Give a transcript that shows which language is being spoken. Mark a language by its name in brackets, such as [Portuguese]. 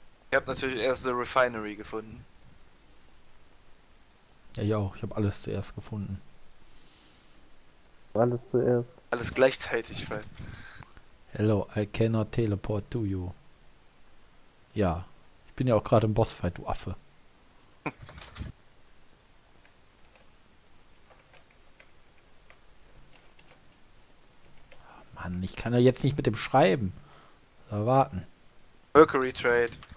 [German] Ich hab natürlich erst The Refinery gefunden. Ja, ich auch. Ich hab alles zuerst gefunden. Alles zuerst. Alles gleichzeitig, weil. [English] Hello, I cannot teleport to you. [German] Ja, ich bin ja auch gerade im Bossfight, du Affe. Mann, ich kann ja jetzt nicht mit dem schreiben. Warten. Mercury Trade.